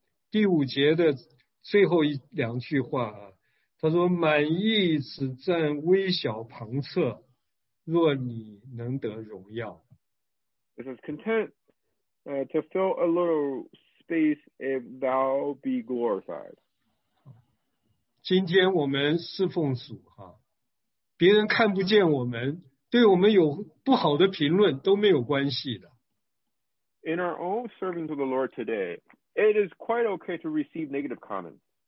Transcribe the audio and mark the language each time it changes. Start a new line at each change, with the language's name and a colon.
Chinese: 第五节的最后一两句话啊，他说满意只占微小旁侧，若你能得荣耀。
English: It says content to fill a little. If thou be glorified.
Chinese: 今天我们侍奉主哈，别人看不见我们，对我们有不好的评论都没有关系的。
English: In our own serving to the Lord today, it is quite okay to receive negative comments.